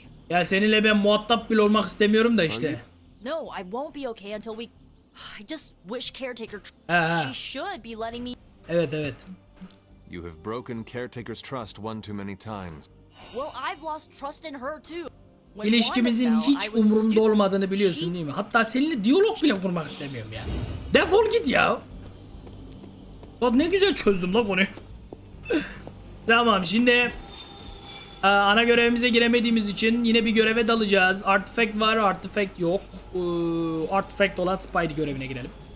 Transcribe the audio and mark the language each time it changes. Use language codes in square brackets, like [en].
[tr] Ya seninle ben muhatap bile olmak istemiyorum da işte. [en] No, I won't be okay until we... I just wish Caretaker... Aha. She should be letting me... [tr] Evet, evet. [en] You have broken Caretaker's trust one too many times. Well, I've lost trust in her too. [tr] İlişkimizin hiç umurumda olmadığını biliyorsun değil mi? Hatta seninle diyalog bile kurmak istemiyorum ya. Defol git ya. Lan ne güzel çözdüm la konuyu. Tamam, şimdi... ana görevimize giremediğimiz için yine bir göreve dalacağız. Artifact var, artifact yok. Artifact olan Spidey görevine girelim.